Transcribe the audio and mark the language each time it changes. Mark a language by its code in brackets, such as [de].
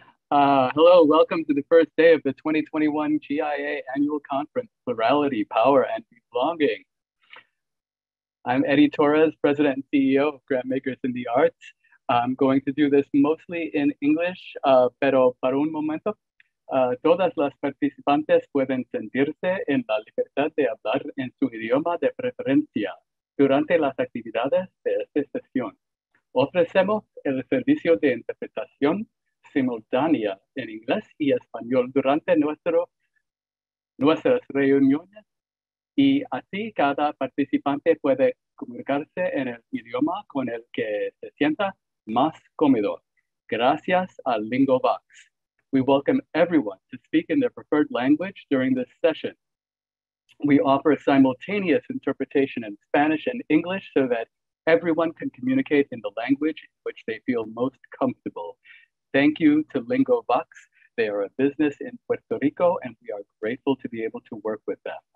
[en] Hello, welcome to the first day of the 2021 GIA Annual Conference, Plurality, Power, and Belonging. I'm Eddie Torres, President and CEO of Grantmakers in the Arts. I'm going to do this mostly in English, [es] pero para un momento. Todas las participantes pueden sentirse en la libertad de hablar en su idioma de preferencia durante las actividades de esta sesión. Ofrecemos el servicio de interpretación simultánea en inglés y español durante nuestras reuniones, y así cada participante puede comunicarse en el idioma con el que se sienta más cómodo. Gracias al LingoVox. [en] We welcome everyone to speak in their preferred language during this session. We offer simultaneous interpretation in Spanish and English so that everyone can communicate in the language in which they feel most comfortable. Thank you to LingoVox. They are a business in Puerto Rico, and we are grateful to be able to work with them.